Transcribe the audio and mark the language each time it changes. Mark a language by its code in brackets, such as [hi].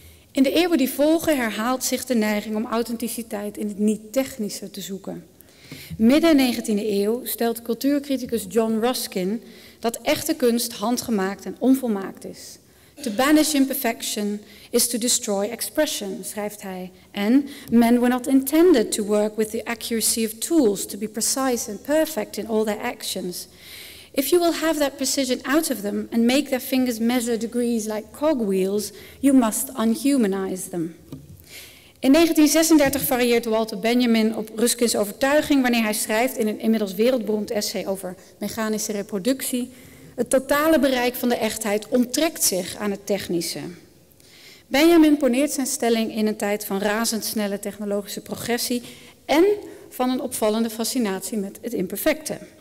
[nl] In de eeuwen die volgen herhaalt zich de neiging om authenticiteit in het niet-technische te zoeken. Midden 19e eeuw stelt cultuurcriticus John Ruskin dat echte kunst handgemaakt en onvolmaakt is. [en] To banish imperfection is to destroy expression, [nl] schrijft hij. [en] En men were not intended to work with the accuracy of tools, to be precise and perfect in all their actions. If you will have that precision out of them and make their fingers measure degrees like cogwheels, you must unhumanize them. [nl] In 1936 varieert Walter Benjamin op Ruskins overtuiging wanneer hij schrijft in een inmiddels wereldberoemd essay over mechanische reproductie: het totale bereik van de echtheid onttrekt zich aan het technische. Benjamin poneert zijn stelling in een tijd van razendsnelle technologische progressie en van een opvallende fascinatie met het imperfecte.